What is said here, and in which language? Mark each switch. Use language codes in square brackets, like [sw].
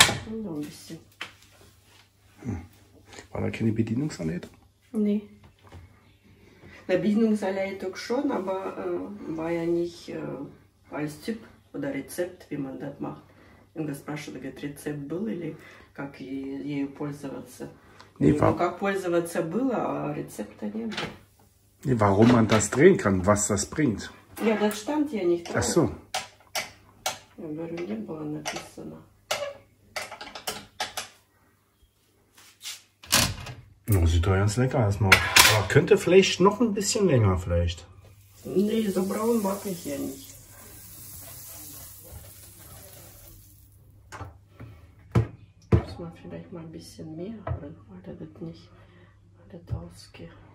[de] Nur ein bisschen. War da keine Bedienungsanleitung? Nee. На Bedienungsanleitung schon, aber war ja nicht als Typ oder Rezept, wie man das macht. Und das [ru] спрашивает, говорит, Rezept был или как ею пользоваться? Nee, ну, как пользоваться было, а рецепта не было. [de] Nee, warum man das drehen kann, was das bringt? Ja, das stand ja nicht drauf. Ach so. [ru] Я говорю, не было написано. [de] Ну, sieht doch ganz lecker aus, Mann. Könnte vielleicht noch ein bisschen länger, vielleicht. Nee, so braun mag ich ja nicht. Muss man vielleicht mal ein bisschen mehr drin, weil das nicht alles ausgeht.